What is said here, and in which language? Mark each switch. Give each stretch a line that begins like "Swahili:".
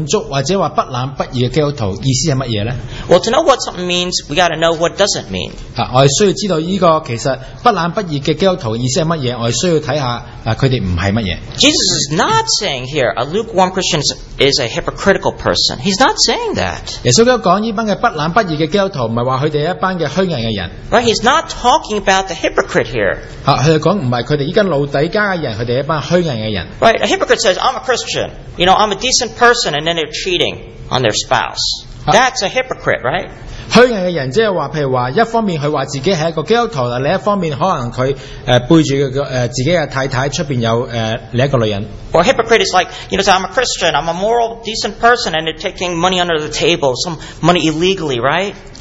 Chinese: 那一個基督徒很自我滿足,或者說不冷不熱的基督徒,意思是什麼呢?
English: Well, to know what something means, we got to know what doesn't mean.
Chinese: 我們需要知道這個其實不冷不熱的基督徒意思是什麼,我們需要看看他們不是什麼。
English: Jesus is not saying here, a lukewarm Christian is a hypocritical person. He's not saying that.
Chinese: 耶穌基督說這群不冷不熱的基督徒,不是說他們是一群虛偽的人。
English: Right, he's not talking about the hypocrite here.
Chinese: 他們說不是他們這群路底加的人,他們是一群虛偽的人。
English: Right, a hypocrite says, I'm a Christian, you know, I'm a decent person, and then they're cheating on their spouse. That's a hypocrite, right?
Chinese: 虚伪的人就是说,譬如说,一方面他说自己是一个基督徒,另一方面可能他背着自己的太太,外面有另一个女人。
English: Or hypocrite is like, you know, so I'm a Christian, I'm a moral, decent person, and they're taking money under the table, some money illegally, right?